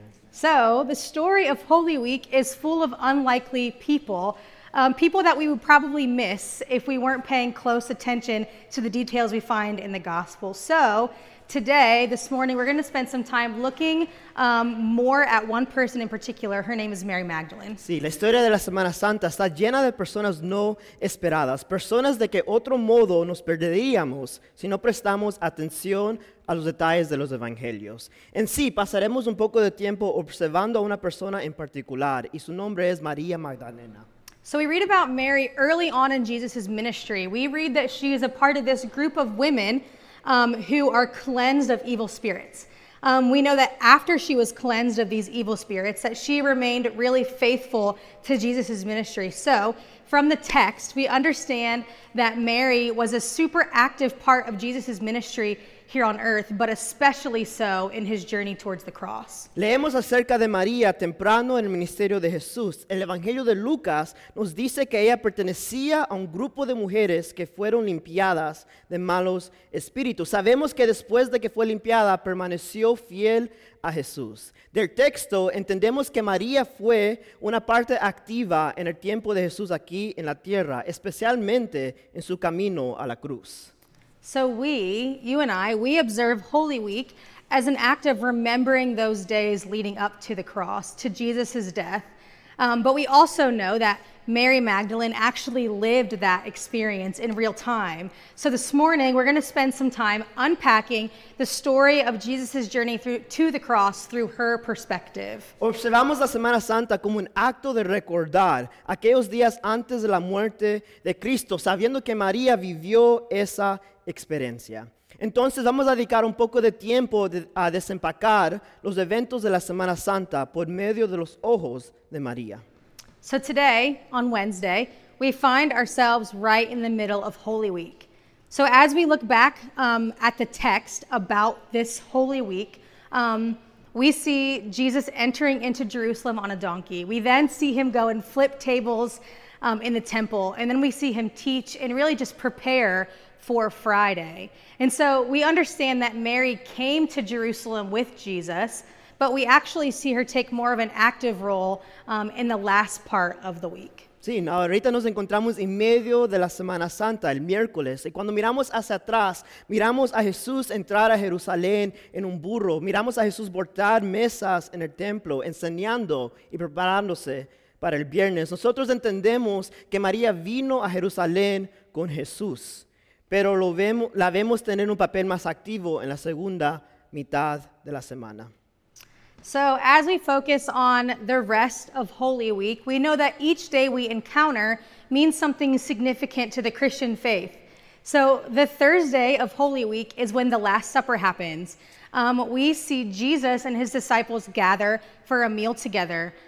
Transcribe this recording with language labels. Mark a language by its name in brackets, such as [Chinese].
[English] So the story of Holy Week is full of unlikely people, people that we would probably miss if we weren't paying close attention to the details we find in the gospel. So today, this morning, we're going to spend some time looking more at one person in particular. Her name is Mary Magdalene. [Spanish] Sí, la historia de la Semana Santa está llena de personas no esperadas, personas de que otro modo nos perderíamos si no prestamos atención a los detalles de los evangelios. En sí, pasaremos un poco de tiempo observando a una persona en particular, y su nombre es María Magdalena. [English] So we read about Mary early on in Jesus' ministry. We read that she is a part of this group of women who are cleansed of evil spirits. We know that after she was cleansed of these evil spirits, that she remained really faithful to Jesus' ministry. So from the text, we understand that Mary was a super active part of Jesus' ministry here on earth, but especially so in his journey towards the cross. [Spanish] Leemos acerca de María temprano en el ministerio de Jesús. El Evangelio de Lucas nos dice que ella pertenecía a un grupo de mujeres que fueron limpiadas de malos espíritus. Sabemos que después de que fue limpiada, permaneció fiel a Jesús. Del texto, entendemos que María fue una parte activa en el tiempo de Jesús aquí en la tierra, especialmente en su camino a la cruz. [English] So you and I, observe Holy Week as an act of remembering those days leading up to the cross, to Jesus's death. But we also know that Mary Magdalene actually lived that experience in real time. So this morning, we're going to spend some time unpacking the story of Jesus's journey to the cross through her perspective. [Spanish] Observamos la Semana Santa como un acto de recordar aquellos días antes de la muerte de Cristo, sabiendo que María vivió esa experiencia. Entonces vamos a dedicar un poco de tiempo a desempacar los eventos de la Semana Santa por medio de los ojos de María. [English] So today, on Wednesday, we find ourselves right in the middle of Holy Week. So as we look back at the text about this Holy Week, we see Jesus entering into Jerusalem on a donkey. We then see him go and flip tables in the temple, and then we see him teach and really just prepare for Friday. And so we understand that Mary came to Jerusalem with Jesus, but we actually see her take more of an active role in the last part of the week. [Spanish] Sí, ahorita nos encontramos en medio de la Semana Santa, el miércoles. Y cuando miramos hacia atrás, miramos a Jesús entrar a Jerusalén en un burro. Miramos a Jesús bordar mesas en el templo, enseñando y preparándose para el viernes. Nosotros entendemos que María vino a Jerusalén con Jesús, pero la vemos tener un papel más activo en la segunda mitad de la semana. [English] So as we focus on the rest of Holy Week, we know that each day we encounter means something significant to the Christian faith. So the Thursday of Holy Week is when the Last Supper happens. We see Jesus and his disciples gather for a meal together.